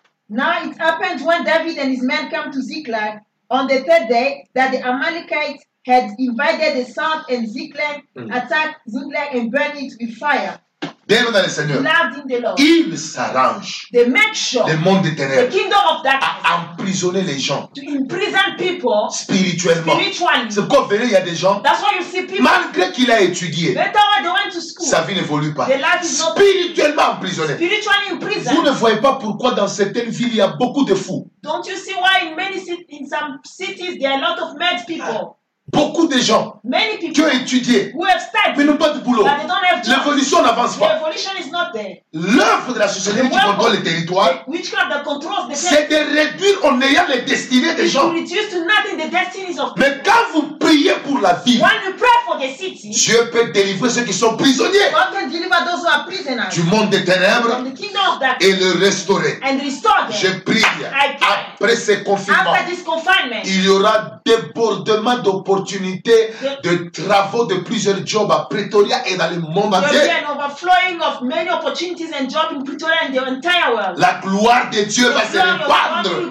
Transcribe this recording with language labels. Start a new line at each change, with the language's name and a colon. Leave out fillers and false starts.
English: Now it happened when David and his men came to Ziklag on the third day that the Amalekites had invaded the south and Ziklag attacked Ziklag and burned it with fire.
French: bien-aimés dans le Seigneur, il s'arrange, le monde des ténèbres,
English: the kingdom of darkness,
French: à emprisonner les gens,
English: to imprison people,
French: spirituellement. C'est pourquoi vous verrez, il y a des gens,
English: that's why you see people,
French: malgré qu'il a étudié,
English: school,
French: sa vie n'évolue pas,
English: the life is not
French: spirituellement emprisonné.
English: Spiritually imprisoned.
French: Vous ne voyez pas pourquoi dans certaines villes il y a beaucoup de fous.
English: Don't you see why in many in some cities there are a lot of mad people?
French: Beaucoup de gens
English: many people
French: qui ont étudié
English: who have studied,
French: mais n'ont pas de boulot.
English: But they don't have jobs.
French: L'évolution n'avance pas.
English: The evolution is not there.
French: L'œuvre de la société qui contrôle les territoires,
English: the controls the
French: c'est de réduire en ayant les destinées des gens.
English: Reduce to nothing the destinies of people.
French: Mais quand vous priez pour la ville,
English: when you pray for the city,
French: Dieu peut délivrer ceux qui sont prisonniers
English: God can deliver those who are prisoners
French: du monde des ténèbres
English: from the kingdom of darkness
French: et le restaurer.
English: And restore them.
French: Je prie après ce confinement,
English: after this confinement,
French: il y aura débordement d'opportunités. Opportunité de travaux de plusieurs jobs à Pretoria et dans le monde entier.
English: An overflowing of many opportunities and jobs in Pretoria and the entire world.
French: La gloire de Dieu va se répandre.